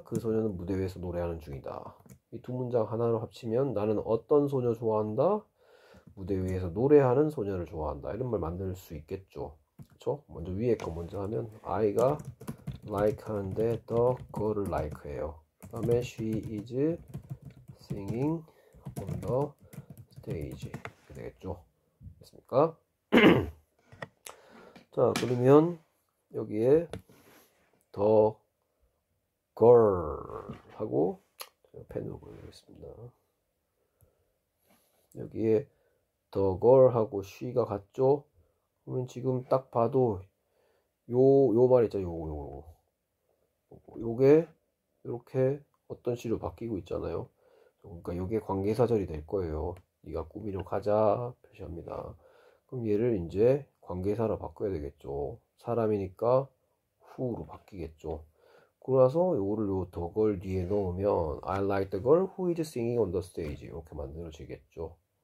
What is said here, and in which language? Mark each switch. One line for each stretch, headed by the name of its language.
Korean: 그 소녀는 무대 위에서 노래하는 중이다. 이두 문장 하나로 합치면 나는 어떤 소녀 좋아한다? 무대 위에서 노래하는 소녀를 좋아한다. 이런 말 만들 수 있겠죠. 그쵸? 먼저 위에 거 먼저 하면 I가 like 하는데 the girl like 해요.
English: 그 다음에 she is singing on the stage.
Korean: 이렇게 되겠죠. 됐습니까? 자, 그러면 여기에 the girl 하고 펜으로 보여드리겠습니다. 여기에 the girl하고 she가 같죠? 그러면 지금 딱 봐도 요 말이 있죠. 요게 이렇게 어떤 식으로 바뀌고 있잖아요. 그러니까 요게 관계사절이 될 거예요. 네가 꾸미러 가자 표시합니다. 그럼 얘를 이제 관계사로 바꿔야 되겠죠. 사람이니까 who로 바뀌겠죠.
English: 그러고 나서 요거를 요 더걸 뒤에 넣으면 I like the girl who is singing on the stage 이렇게 만들어지겠죠.